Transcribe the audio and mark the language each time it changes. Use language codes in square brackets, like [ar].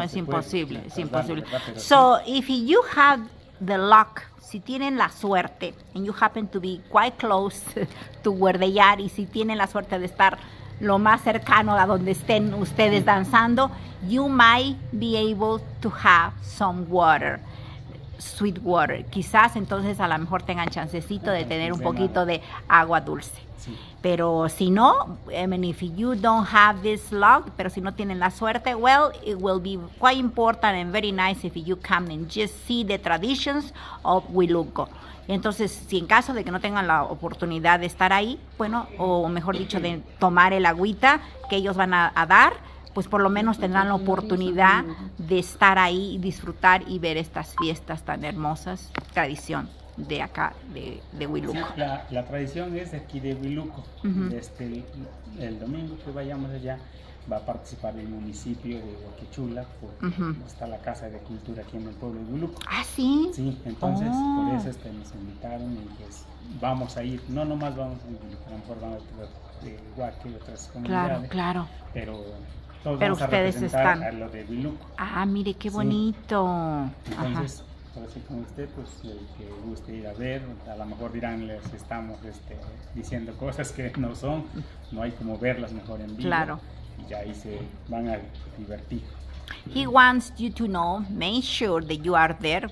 [es] es imposible, es imposible. [en] So, if you have the luck, [es] si tienen la suerte, [en] and you happen to be quite close to where they are, [es] y si tienen la suerte de estar lo más cercano a donde estén ustedes danzando, [en] you might be able to have some water. Sweet water, [es] quizás entonces a lo mejor tengan chancecito de tener un poquito de agua dulce. Sí. Pero si no, I mean, if you don't have this luck, pero si no tienen la suerte, well, it will be quite important and very nice if you come and just see the traditions of Huiluco. Entonces, si en caso de que no tengan la oportunidad de estar ahí, bueno, o mejor dicho, de tomar el agüita que ellos van a dar, pues por lo menos tendrán la oportunidad de estar ahí y disfrutar y ver estas fiestas tan hermosas, tradición de acá, de Huiluco. Sí, la tradición es de aquí de Huiluco. El domingo que vayamos allá va a participar el municipio de Huaquechula, porque está la Casa de Cultura aquí en el pueblo de Huiluco. ¿Ah, sí? Sí, entonces por eso nos invitaron y pues vamos a ir, no nomás vamos a Huiluco, vamos a ir de Huaque y otras comunidades. Claro, claro. Pero... Todos pero vamos ustedes a representar están. A lo de Huiluco. Ah, mire qué bonito. Sí. Entonces, para ser con usted, pues el que guste ir a ver, a lo mejor dirán, les estamos diciendo cosas que no son, no hay como verlas mejor en vivo. Claro. Y ya ahí se van a divertir. [en] He wants you to know, make sure that you are there.